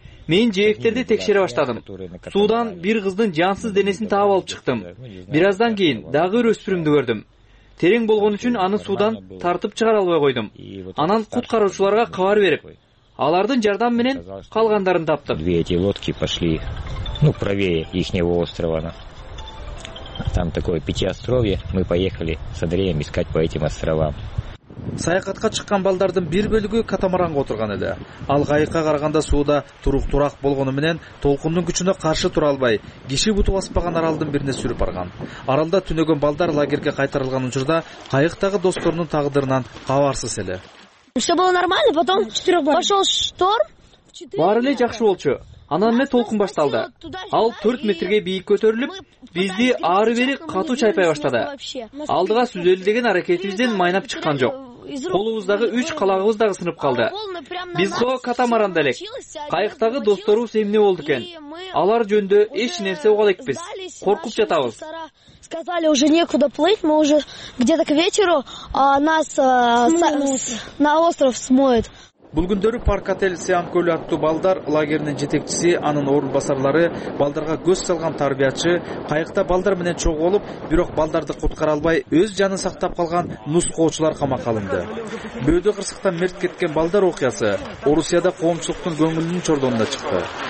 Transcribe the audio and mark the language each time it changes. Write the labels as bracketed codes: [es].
[ky] Мен жээктерди текшере баштадым. Суудан бир кыздын жансыз денесин таап алып чыктым. Бир аздан кийин дагы бир өспүрүмдү көрдүм. Терең болгон үчүн аны суудан тартып чыгара албай койдум. Анан куткаруучуларга кабар берип, алардын жардам менен калгандарын таптым. [ru] Две эти лодки пошли, правее ихнего острова. Там такое пятиостровье. Мы поехали с Андреем искать по этим островам. [ky] Саякатка чыккан балдардын бир бөлүгү катамаранга отурган эле. Ал кайыкка караганда сууда туруктурак болгону менен толкундун күчүнө каршы тура албай, киши буту баспаган аралдын бирине сүрүп барган. Аралда түнөгөн балдар лагерге кайтарылган учурда кайыктагы досторунун тагдырынан кабарсыз эле. [ru] Все было нормально, потом пошел шторм. [ky] Баары эле жакшы болчу. Анан эле толкун башталды. Ал 4 метрге бийик көтөрүлүп, бизди ары бери катуу чайпай баштады. Алдыга сүзөлү деген аракетибизден майнап чыккан жок. Колубуздагы 3 калагыбыз дагы сынып калды. Биз го катамаранда элек. Кайыктагы досторубуз эмне болду экен? Алар жөндө эч нерсе угала элекпиз. Коркуп жатабыз. [ru] Сказали уже некуда плыть, мы уже где-то к вечеру, а нас на остров смоет. [ky] Бул күндөрү парк отель Сиам көлү аттуу балдар лагеринин жетекчиси, анын орун басарлары, балдарга көз салган тарбиячы кайыкта балдар менен чогулуп, бирок балдарды куткара албай өз жанын сактап калган нускоочулар камакка алынды. Бөөдө кырсыктан мерт кеткен балдар окуясы Орусияда коомчулуктун көңүлүнүн чордонуна чыкты.